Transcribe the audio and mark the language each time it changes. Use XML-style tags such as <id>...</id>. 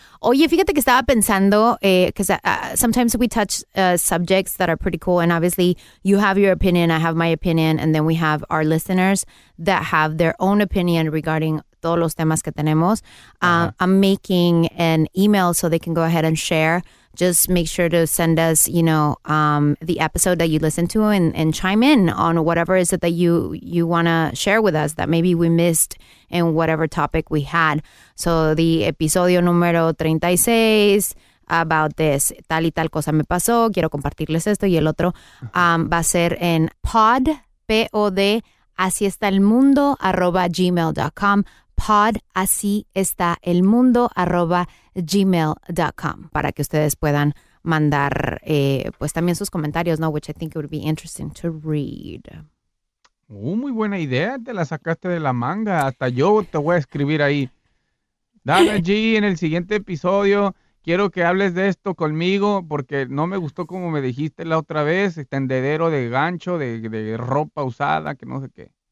<es>Oye, fíjate que estaba pensando,</es> <en>because sometimes we touch subjects that are pretty cool, and obviously you have your opinion, I have my opinion, and then we have our listeners that have their own opinion regarding</en> <es>todos los temas que tenemos.</es> <en>Uh-huh. I'm making an email so they can go ahead and share. Just make sure to send us, you know, the episode that you listen to and chime in on whatever is it that you want to share with us that maybe we missed in whatever topic we had. So the</en> <es>episodio número 36</es> <en>about this,</en> <es>tal y tal cosa me pasó, quiero compartirles esto y el otro, va a ser en pod, P-O-D, así está el mundo, @gmail.com. Pod, así está el mundo, @gmail.com. Para que ustedes puedan mandar pues también sus comentarios, ¿no?</es> <en>Which I think it would be interesting to read.</en> <es>Muy buena idea, te la sacaste de la manga. Hasta yo te voy a escribir ahí. Dana G, en el siguiente episodio, quiero que hables de esto conmigo porque no me gustó como me dijiste la otra vez, tendedero de gancho, de ropa usada, que no sé qué.</es>